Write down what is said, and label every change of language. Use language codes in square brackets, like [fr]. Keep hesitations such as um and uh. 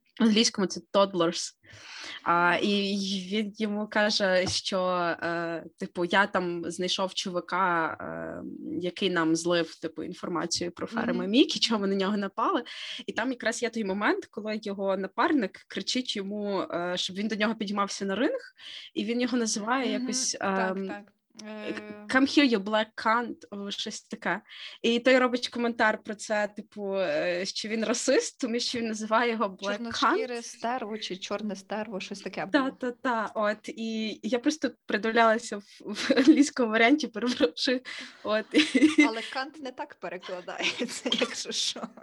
[uk] В англійському це toddlers. А, і й- він йому каже, що е, типу, я там знайшов чувака, е, який нам злив типу інформацію про ферми Мгм. Мікі, чого ми на нього напали. І там якраз є той момент, коли його напарник кричить йому, е, щоб він до нього підіймався на ринг, і він його називає Мгм. якось. Так, ем, так. Е, [en] Come here, you black cunt, [uk] о, щось таке. І той робить коментар про це, типу, е, що він расист, тому що він називає його [en] black cunt. [uk] Чорношкіре стерво чи чорне стерво, щось таке. Та, було. та, та, от і я просто придивлялася в, в англійському варіанті, перепрошую. От і- Але Кант не так перекладається, якщо що.